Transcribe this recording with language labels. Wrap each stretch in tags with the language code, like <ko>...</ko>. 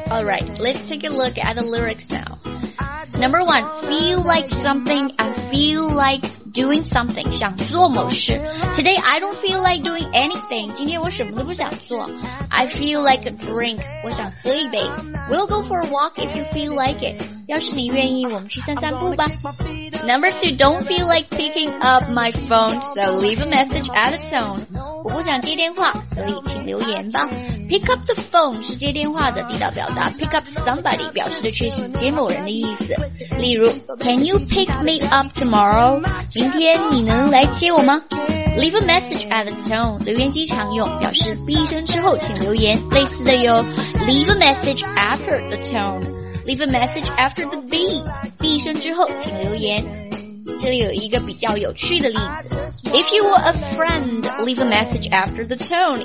<en>Alright, let's take a look at the lyrics now. Number one, feel like something, I feel like doing something.</en> <zh>想做某事.</zh> <en>Today I don't feel like doing anything.</en> <zh>今天我什么都不想做.</zh> <en>I feel like a drink.</en> <zh>我想喝一杯.</zh> <en>We'll go for a walk if you feel like it.</en> <zh>要是你愿意我们去散散步吧.</zh> <en>Number two, don't feel like picking up my phone, so leave a message at the tone.</en> <zh>我不想接电话, 所以请留言吧.</zh> <en>Pick up the phone</en> <zh>是接电话的, 地道表达,</zh> <en>pick up somebody</en> <zh>表示的却是接某人的意思. 例如,</zh> <en>can you pick me up tomorrow?</en> <zh>明天你能来接我吗?</zh> <en>Leave a message at the tone,</en> <zh>留言机常用, 表示闭声之后请留言. 类似的有,</zh> <en>leave a message after the tone, leave a message after the beep,</en> <zh>闭声之后请留言. 这里有一个比较有趣的例子。</zh> <en>If you were a friend, leave a message after the tone.</en>